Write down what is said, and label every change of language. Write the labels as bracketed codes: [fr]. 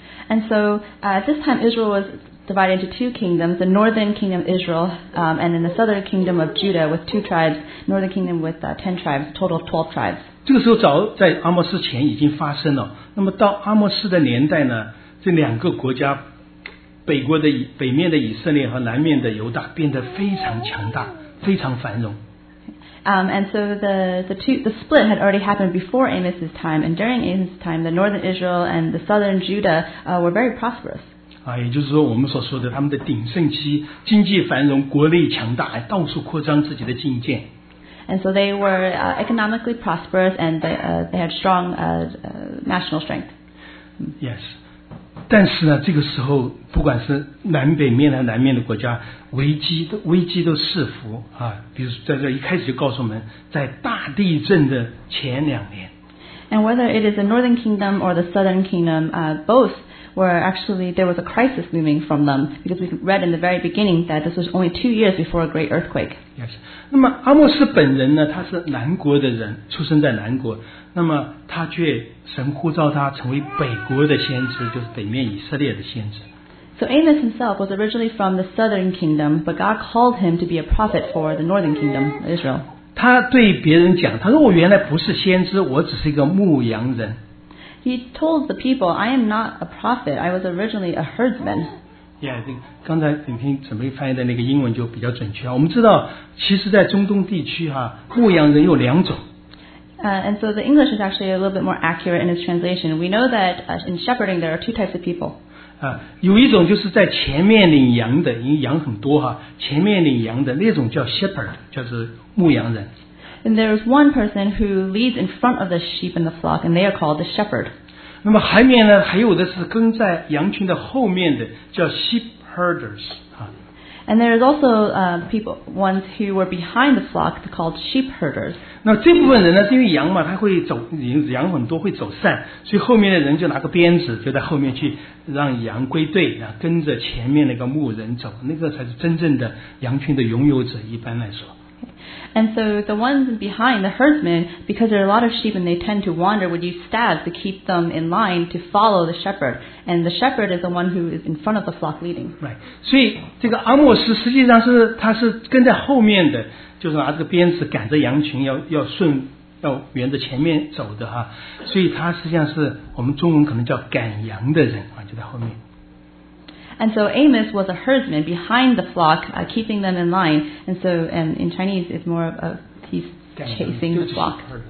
[en] And so at this time Israel was divided into two kingdoms, the northern kingdom of Israel and then the southern kingdom of Judah with two tribes, northern kingdom with 10 tribes, total of 12 tribes. [zh] 这个时候早在阿摩斯前已经发生了，那么到阿摩斯的年代呢，这两个国家北面的以色列和南面的犹大变得非常强大，非常繁荣。 [en] And so the split had already happened before Amos' time, and during Amos' time, the northern Israel and the southern Judah were very prosperous. [zh] 也就是说我们所说的他们的鼎盛期，经济繁荣，国力强大，到处扩张自己的境界。 [en] And so they were economically prosperous and they had strong national strength. Yes. [zh] 但是呢这个时候不管是南北面还是南面的国家危机都伺伏啊，比如在这一开始就告诉我们在大地震的前两年。 [en] And whether it is the northern kingdom or the southern kingdom, both were actually, there was a crisis looming from them because we read in the very beginning that this was only 2 years before a great earthquake. Yes. [zh] 那么阿摩斯本人呢他是南国的人出生在南国，那么他却神呼召他成为北国的先知，就是北面以色列的先知。 [en] So Amos himself was originally from the southern kingdom, but God called him to be a prophet for the northern kingdom, Israel. [zh] 他对别人讲，他说我原来不是先知，我只是一个牧羊人。 [en] He told the people, I am not a prophet, I was originally a herdsman. [zh] Yeah, 刚才影片准备翻译的那个英文就比较准确。我们知道其实在中东地区牧羊人有两种。 [en] And so the English is actually a little bit more accurate in its translation. We know that in shepherding there are two types of people. [zh] 有一种就是在前面领羊的，因为羊很多前面领羊的那种叫 shepherd, 就是牧羊人。 [en] And there is one person who leads in front of the sheep and the flock, and they are called the shepherd. [zh] 那么还面呢？还有的是跟在羊群的后面的，叫 sheep herders. [en] And there is also people ones who were behind the flock, called sheep herders. [zh] 那这部分人呢？因为羊嘛，他会走，羊很多会走散，所以后面的人就拿个鞭子，就在后面去让羊归队，然后跟着前面那个牧人走，那个才是真正的羊群的拥有者。一般来说。 [en] And so the ones behind, the herdsmen, because there are a lot of sheep and they tend to wander, would use staffs to keep them in line to follow the shepherd. And the shepherd is the one who is in front of the flock leading. Right. [zh] 所以这个阿摩斯实际上是他是跟在后面的，就是拿这个鞭子赶着羊群要沿着前面走的。所以他实际上是我们中文可能叫赶羊的人，就在后面。 [en] And so Amos was a herdsman behind the flock, keeping them in line. And so, and in Chinese, it's more of he's chasing the flock.